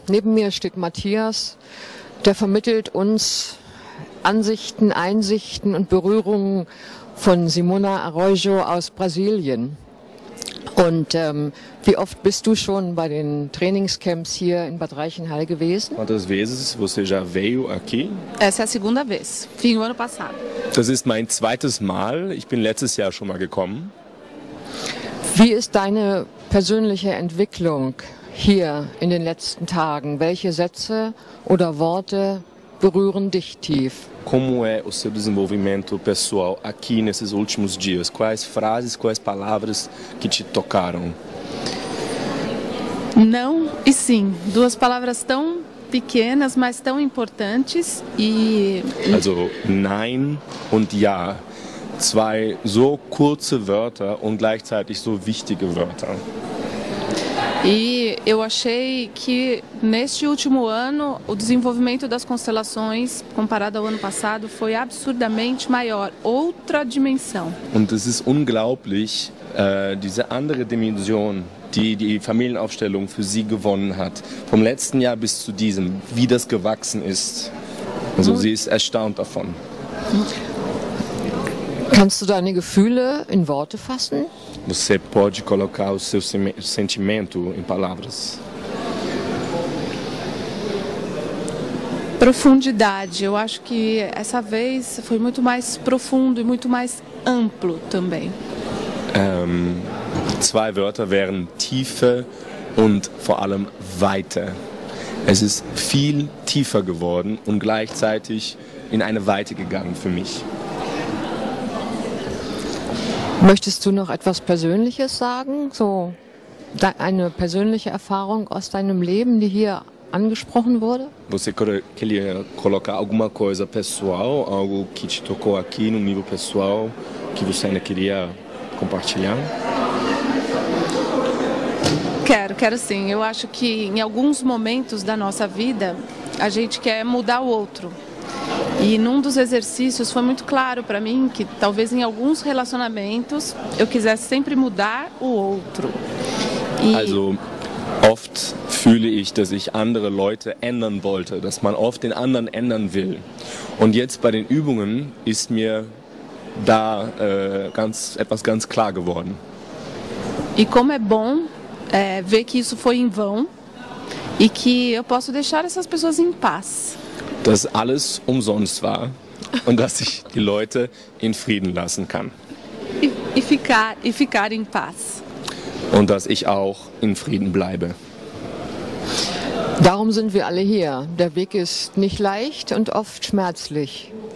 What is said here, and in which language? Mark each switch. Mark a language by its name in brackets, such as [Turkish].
[German] Neben mir steht Matthias, der vermittelt uns Ansichten, Einsichten und Berührungen von Simona Arroyo aus Brasilien. Und wie oft bist du schon bei den Trainingscamps hier in Bad Reichenhall gewesen? [Portuguese] Quantas vezes você já veio aqui? Essa é a segunda vez. Fui no ano passado. [German] Das ist mein zweites Mal. Ich bin letztes Jahr schon mal gekommen. Wie ist deine persönliche Entwicklung hier in den letzten Tagen? Welche Sätze oder Worte berühren dich tief? [Portuguese] Como é o seu desenvolvimento pessoal aqui nesses últimos dias? Quais frases, quais palavras que te tocaram? Não e sim. Duas palavras tão pequenas, mas tão importantes e... [German] Also, nein und ja. Zwei so kurze Wörter und gleichzeitig so wichtige Wörter. [Portuguese] E eu achei que neste último ano o desenvolvimento das constelações comparado ao ano passado foi absurdamente maior, outra dimensão. [German] Und es ist unglaublich, diese andere Dimension, die die Familienaufstellung für sie gewonnen hat, vom letzten Jahr bis zu diesem, wie das gewachsen ist. Also sie ist erstaunt davon. Kannst du deine Gefühle in Worte fassen? [Portuguese] Você pode colocar o seu sentimento em palavras? Profundidade. Eu acho que essa vez foi muito mais profundo e muito mais amplo também. [German] Zwei Wörter wären Tiefe und vor allem Weite. Es ist viel tiefer geworden und gleichzeitig in eine Weite gegangen für mich. Möchtest du noch etwas Persönliches sagen? So eine persönliche Erfahrung aus deinem Leben, die hier angesprochen wurde? [Portuguese] Você queria colocar alguma coisa pessoal, algo que te tocou aqui no nível pessoal, que você ainda queria compartilhar? Quero, quero sim. Eu acho que em alguns momentos da nossa vida, a gente quer mudar o outro. E num dos exercícios foi muito claro para mim que talvez em alguns relacionamentos eu quisesse sempre mudar o outro. E... [German] Also, oft fühle ich, dass ich andere Leute ändern wollte, dass man oft den anderen ändern will. Und jetzt bei den Übungen ist mir da etwas ganz klar geworden. [Portuguese] E como é bom ver que isso foi em vão e que eu posso deixar essas pessoas em paz. [German] Dass alles umsonst war und dass ich die Leute in Frieden lassen kann. [Portuguese] Ficar in paz. [German] Und dass ich auch in Frieden bleibe. Darum sind wir alle hier. Der Weg ist nicht leicht und oft schmerzlich.